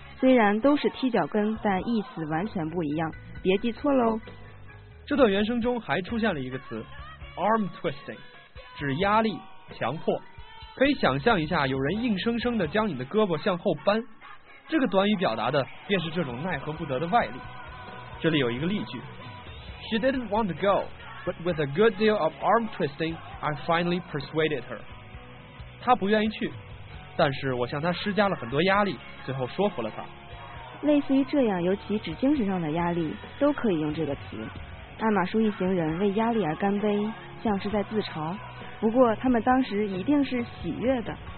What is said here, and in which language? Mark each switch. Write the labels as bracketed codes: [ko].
[zh] 虽然都是踢脚跟，但意思完全不一样，别记错喽。这段原声中还出现了一个词 arm twisting， 指压力、强迫。可以想象一下，有人硬生生地将你的胳膊向后扳，这个短语表达的便是这种奈何不得的外力。这里有一个例句 [en] She didn't want to go.But with a good deal of arm twisting, I finally persuaded her. [zh] 他不愿意去，但是我向他施加了很多压力，最后说服了他。类似于这样由其指精神上的压力都可以用这个词。艾玛叔一行人为压力而干杯，像是在自嘲，不过他们当时一定是喜悦的。